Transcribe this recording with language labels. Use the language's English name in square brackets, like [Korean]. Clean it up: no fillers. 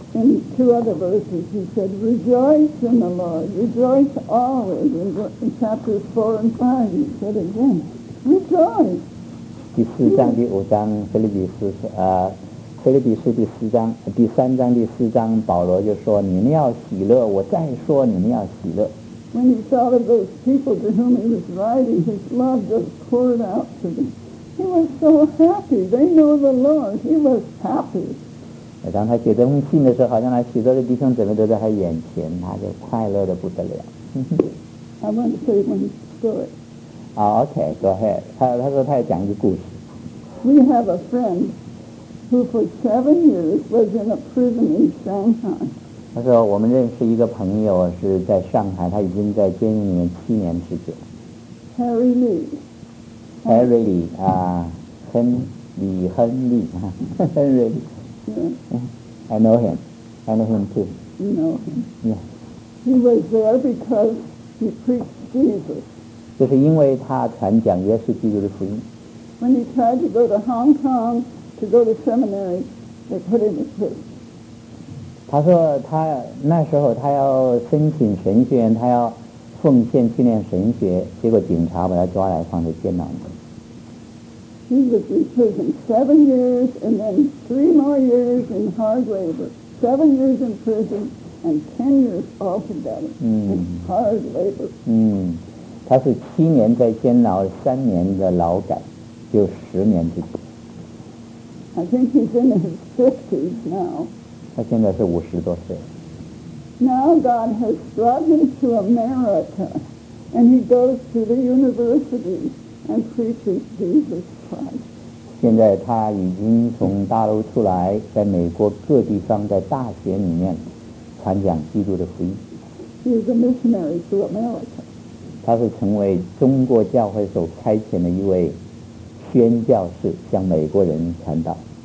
[English] in two other verses he said rejoice in the Lord rejoice always in chapters 4 and 5 he said again rejoice [Chinese] 第四章第五章腓立比书腓立比书第四章第三章第四章保罗就说你们要喜乐我再说你们要喜乐 [English] when he thought of those people to whom he was writing his love just poured out to them he was so happy they know the Lord he was happy [Chinese] 当他写这封信的时候好像他许多的弟兄姊妹都在他眼前他就快乐得不得了 [English] I want to say one story Oh, okay, go ahead. [Chinese] 他说他要讲一个故事。 [English] We have a friend who for 7 years was in a prison in Shanghai. [Chinese] 他说我们认识一个朋友是在上海，他已经在监狱里面7年之久。 [English] Harry Lee. [Chinese] Harry Lee, 啊，亨利，亨利，亨利。 [English] Yeah. I know him. I know him too. You know him. Yeah. He was there because he preached Jesus. [Chinese] 就是因为他传讲耶稣基督的福音 [English] when he tried to go to Hong Kong to go to seminary they put him in prison [Chinese] 他说他那时候他要申请神学院他要奉献去念神学结果警察把他抓来放在监牢里 [English] he was in prison 7 years and then 3 more years in hard labor 7 years in prison and 10 years off of that in hard labor [Chinese] 他是7年在监牢，3年的劳改，就10年之久。 [English] I think he's in his fifties now. [Chinese] 他现在是50多岁。 [English] Now God has brought him to America, and he goes to the university and preaches Jesus Christ. [Chinese] 现在他已经从大陆出来，在美国各地方在大学里面传讲基督的福音。 [English] He's a missionary to America. [Chinese] 他是成为中国教会所差遣的一位宣教士向美国人传道